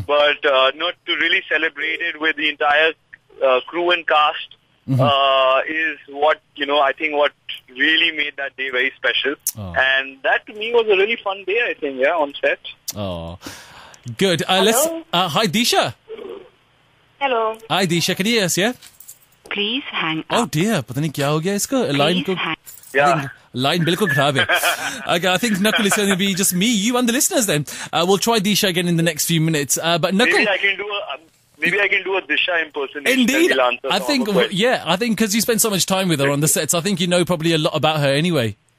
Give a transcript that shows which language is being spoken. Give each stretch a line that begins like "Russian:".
English: But not to really celebrate it with the entire crew and cast, is what, you know, I think what really made that day very special. Oh. And that to me was a really fun day, I think, yeah, on set. Oh, good. Hi, Disha. Hello. Hi, Disha. Can you hear us, yeah? Please hang up. Oh, dear.
Hindi: पता नहीं क्या हो गया इसका? Line बिल्कुल खराब है।
English: Okay, I think Nakuul is going to be just me, you and the listeners then. We'll try Disha again in the next few minutes. But Nakuul, Maybe I can do a Disha impersonation. Indeed, I think because you spend so much time with her on the sets, I think you know probably a lot about her anyway.